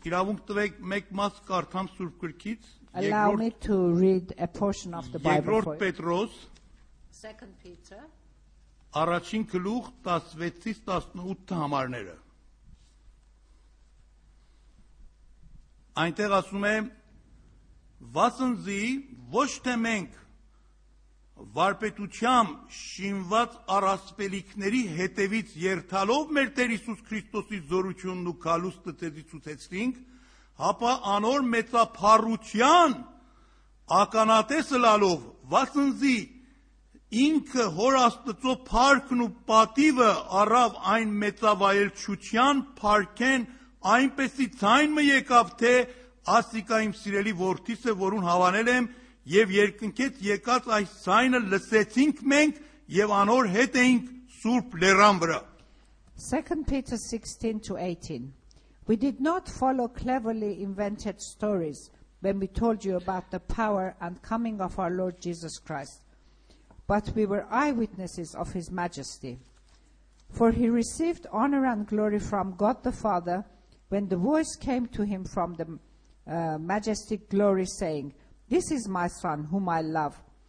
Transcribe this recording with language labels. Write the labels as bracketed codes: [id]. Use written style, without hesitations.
[en] Allow me to read a portion of the Bible for you. Petros, 2 Peter. [hy] Arachin Kluch, 16-18 համարները. Այնտեղ ասում է, «Վասնզի ոչ թե մենք վարպետությամբ շինված առասպելիքների հետևից երթալով մեր Տեր Իսուս Քրիստոսի զորությունն ու քալուստը ձեզ ցուցեցրինք, հապա անոր մեծափառության ականատեսը լալով, վասնզի ինքը Հոր Աստծո փառքն ու պատիվը առավ այն մեծավայելչության փառքեն, այնպեսի ձայն մը եկավ, թե աստիկա իմ սիրելի որդիսը, որուն հավանել եմ, և երկնքեց եկած այս ձայնը լսեցինք մենք և անոր հետ էինք Սուրբ լեռան վրա։ [en] 2 Peter 16-18. We did not follow cleverly invented stories when we told you about the power and coming of our Lord Jesus Christ, but we were eyewitnesses of his majesty. For he received honor and glory from God the Father when the voice came to him from the majestic glory saying, "This is my Son, whom I love.